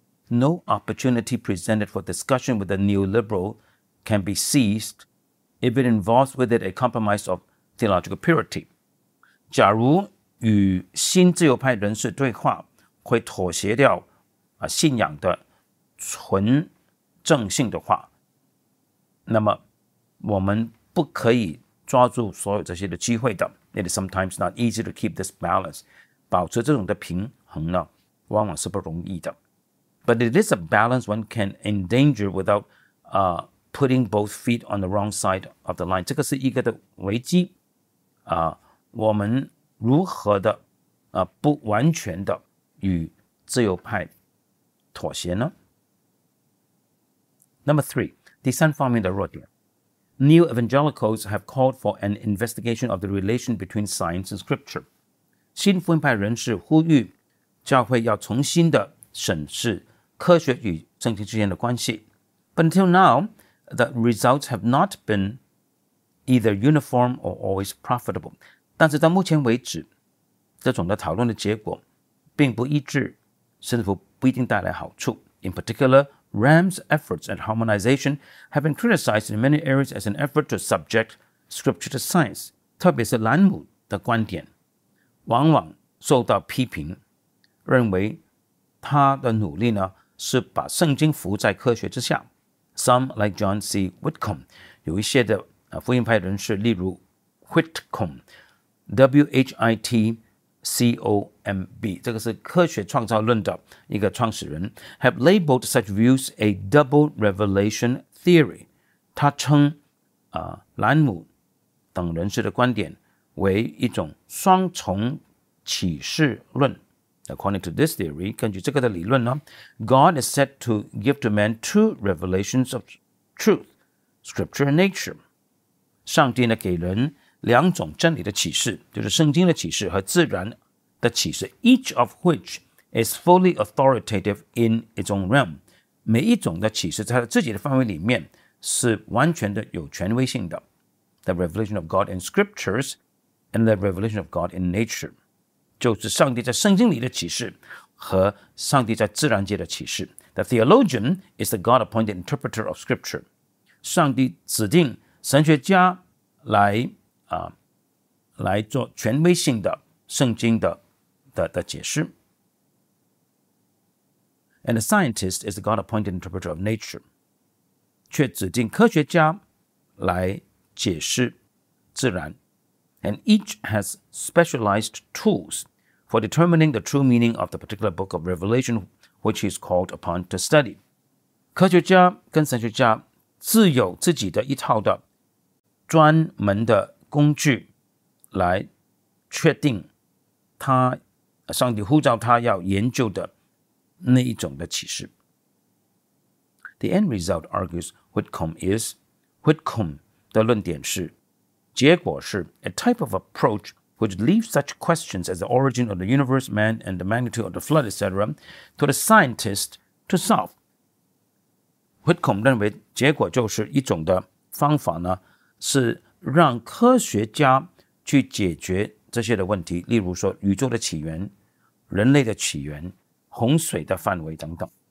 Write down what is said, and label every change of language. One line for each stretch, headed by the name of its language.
English: No opportunity presented for discussion with the neoliberal can be seized if it involves with it a compromise of theological purity.
Chinese: 假如与新自由派人士对话会妥协掉信仰的纯正性的话，那么我们不可以抓住所有这些的机会的。
English: It is sometimes not easy to keep this balance.
Chinese: 保持这种的平衡呢，往往是不容易的。
English: But it is a balance one can endanger without putting both feet on the wrong side of the line.
Chinese: 这个是一个的危机。我们如何的不完全的与自由派妥协呢？
English: Number three,
Chinese: 第三方面的弱点。
English: New evangelicals have called for an investigation of the relation between science and scripture.
Chinese: 新福音派人士呼吁教会要重新的审视科学与圣经之间的关系。
English: But until now, the results have not been either uniform or always profitable.
Chinese: 但是到目前为止，这种的讨论的结果并不一致，甚至不一定带来好处。
English: In particular, Ram's efforts at harmonization have been criticized in many areas as an effort to subject scripture to science.
Chinese: 特别是兰姆的观点往往受到批评，认为他的努力呢是把圣经服务在科学之下。
English: Some, like John C. Whitcomb,
Chinese: 有一些的福音派人士，例如 Whitcomb,
English: W-H-I-T-C-O-M-B,
Chinese: 这个是科学创造论的一个创始人，
English: have labeled such views a double revelation theory.
Chinese: 他称兰姆等人士的观点为一种双重启示论。
English: According to this theory,
Chinese: 根据这个的理论呢，
English: God is said to give to man two revelations of truth, scripture and nature.
Chinese: 上帝呢给人两种真理的启示，就是圣经的启示和自然的启示，
English: each of which is fully authoritative in its own realm.
Chinese: 每一种的启示在自己的范围里面是完全的有权威性的。
English: The revelation of God in scriptures and the revelation of God in nature.
Chinese: 就是上帝在圣经里的启示和上帝在自然界的启示。
English: The theologian is the God-appointed interpreter of scripture.
Chinese: 上帝指定神学家 来做权威性的圣经 的解释。
English: And the scientist is the God-appointed interpreter of nature.
Chinese: 却指定科学家来解释自然。
English: And each has specialized toolsfor determining the true meaning of the particular book of Revelation which he is called upon to study.
Chinese: 科学家跟神学家自有自己的一套的专门的工具来确定他上帝呼召他要研究的那一种的启示。
English: The end result, argues Whitcomb, is Whitcomb
Chinese: 的论点是结果是
English: a type of approachwhich leaves such questions as the origin of the universe, man, and the magnitude of the flood, etc., to the scientist to solve.
Chinese: Whitcomb 认为结果就是一种的方法呢，是让科学家去解决这些的问题，例如说宇宙的起源、人类的起源、洪水的范围等等。